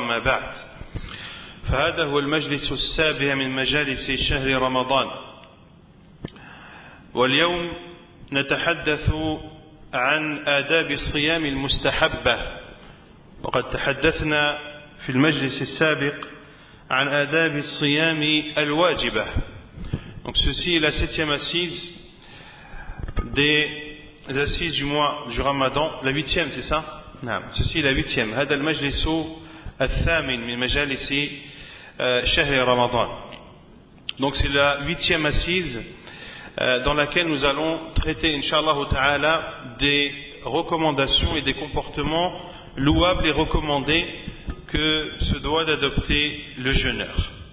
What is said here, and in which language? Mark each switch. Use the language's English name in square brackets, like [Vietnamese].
[Arabic] أما بعد، فهذا هو المجلس السابع من مجالس شهر رمضان، واليوم نتحدث عن آداب الصيام المستحبة. وقد تحدثنا في المجلس السابق عن آداب الصيام الواجبة. [French] Donc ceci est la septième assise des assises du mois du Ramadan. La huitième, c'est ça ? Non. Ceci est la huitième. [Arabic] هذا المجلس الثامن من مجالس شهر رمضان. [French] Donc c'est la huitième assise dans laquelle nous allons traiter, inshallah ta'ala, des recommandations et des comportements louables et recommandés que se doit d'adopter le jeûneur.